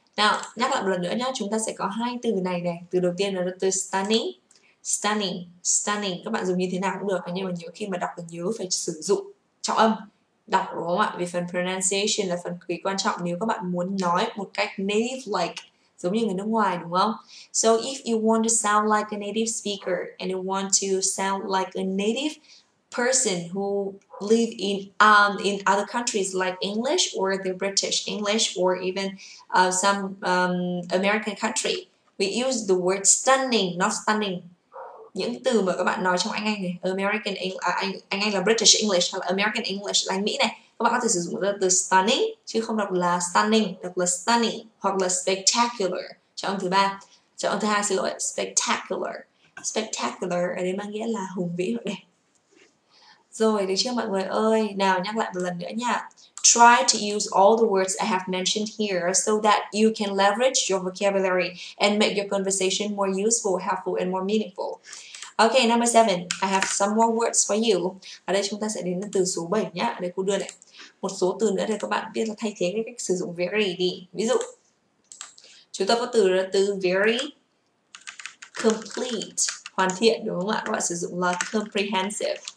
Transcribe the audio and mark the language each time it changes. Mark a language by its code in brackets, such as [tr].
[vi] Nào, nhắc lại một lần nữa nhá, chúng ta sẽ có hai từ này này. Từ đầu tiên là từ stunning. Stunning, stunning. Các bạn dùng như thế nào cũng được, nhưng mà nhiều khi mà đọc thì nhớ phải sử dụng trọng âm đọc đúng không ạ? Vì phần pronunciation là phần cực kỳ quan trọng nếu các bạn muốn nói một cách native like giống như người nước ngoài đúng không? [en] So if you want to sound like a native speaker and you want to sound like a native person who live in other countries like English or the British English or even some American country, we use the word stunning, not stunning. [vi] Những từ mà các bạn nói trong Anh Anh này, American English, Anh Anh là British English hoặc là American English là Anh Mỹ này, các bạn có thể sử dụng từ stunning chứ không đọc là stunning, đọc là stunning hoặc là spectacular. Chọn âm thứ hai xin lỗi, spectacular. Spectacular ở đây mang nghĩa là hùng vĩ hoặc đẹp. Rồi, được chưa mọi người ơi, nào nhắc lại một lần nữa nha. [en] Try to use all the words I have mentioned here so that you can leverage your vocabulary and make your conversation more useful, helpful, and more meaningful. Okay, number 7. I have some more words for you. [vi] Ở đây chúng ta sẽ đến từ số 7 nhé. Ở đây cô đưa này. Một số từ nữa để các bạn biết là thay thế cái cách sử dụng very đi. Ví dụ, chúng ta có từ là từ very complete, hoàn thiện đúng không ạ? Các bạn sử dụng là comprehensive.